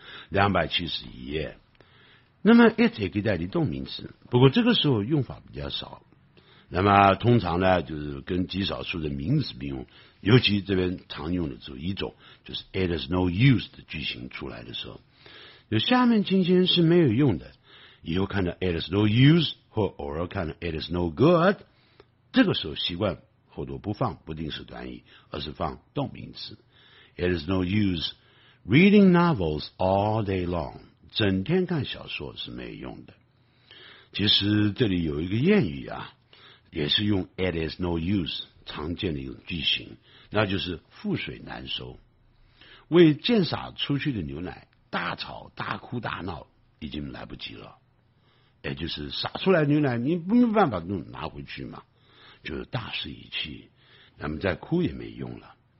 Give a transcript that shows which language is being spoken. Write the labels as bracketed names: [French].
[Chinese] 271页，那么 it 也可以代替动名词，不过这个时候用法比较少，那么通常呢就是跟极少数的名词并用，尤其这边常用的只有一种，就是 [English] it is no use [Chinese] 的句型出来的时候，就下面今天是没有用的，以后看到 it is no use 或偶尔看到 [English] it is no good， [Chinese] 这个时候习惯后头不放不定式短语，而是放动名词。 [English] it is no use reading novels all day long， [Chinese] 整天看小说是没有用的。其实这里有一个谚语啊，也是用 it is no use 常见的一种句型，那就是覆水难收。为溅洒出去的牛奶大吵大哭大闹已经来不及了，也就是洒出来的牛奶你没有办法弄拿回去嘛，就是大势已去，那么再哭也没用了。